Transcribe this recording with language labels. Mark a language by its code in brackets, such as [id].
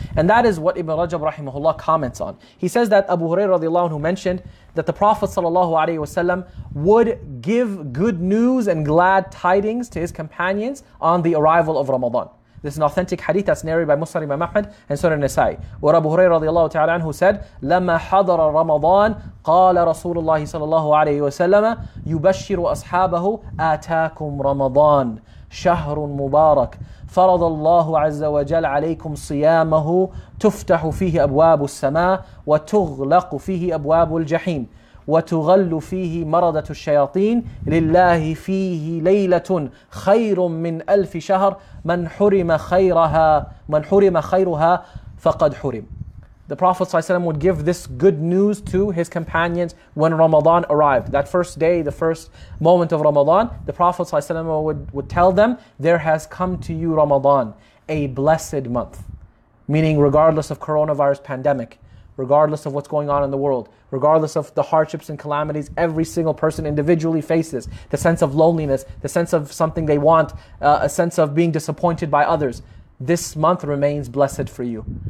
[en] And that is what Ibn Rajab rahimahullah comments on. He says that Abu Hurairah radiallahu anhu mentioned that the Prophet ﷺ would give good news and glad tidings to his companions on the arrival of Ramadan. This is an authentic hadith that's narrated by Muslim Imam Ahmad and Sunan Nasa'i. Where Abu Hurairah radiallahu ta'ala anhu said, [ar] لما حضر رمضان قال رسول الله صلى الله عليه وسلم يبشر أصحابه آتاكم رمضان شهر مبارك فرض الله عز وجل عليكم صيامه تفتح فيه أبواب السماء وتغلق فيه أبواب الجحيم وتغل فيه مردة الشياطين لله فيه ليلة خير من ألف شهر من حرم خيرها من حرم خيرها فقد حرم. [en] The Prophet ﷺ would give this good news to his companions when Ramadan arrived. That first day, the first moment of Ramadan, the Prophet ﷺ would tell them, there has come to you Ramadan, a blessed month. Meaning regardless of coronavirus pandemic, regardless of what's going on in the world, regardless of the hardships and calamities every single person individually faces, the sense of loneliness, the sense of something they want, a sense of being disappointed by others, this month remains blessed for you.